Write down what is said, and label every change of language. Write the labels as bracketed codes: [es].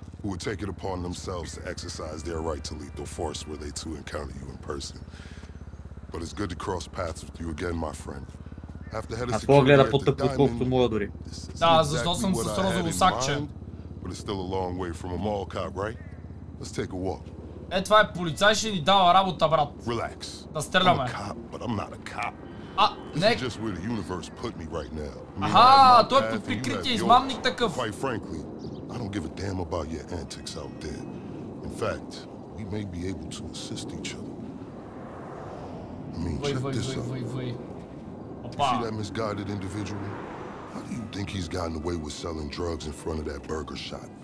[en] Who would take it upon themselves to exercise their right to lethal force were they to encounter you in person. But it's good to cross paths with you again, my friend. After head of security, I've got to put up with more dory. [bg] Да, защо съм с розово сакче? [en] But it's still a long way from a mall cop, right? Let's take a walk. [bg] Е, това е полицай, ще ни дава работа, брат. [en] Relax. [bg] Да стреляме. [en] I'm a cop, but I'm not a cop. [bg] А, не. [en] This is just where the universe put me right now. [bg] Аха, той е под прикритие, измамник такъв. [en] Quite frankly, I don't give a damn about your antics out there. In fact, we may be able to assist each other. I mean, check this out. You see that misguided individual? How do you think he's gotten away with selling drugs in front of that burger shop?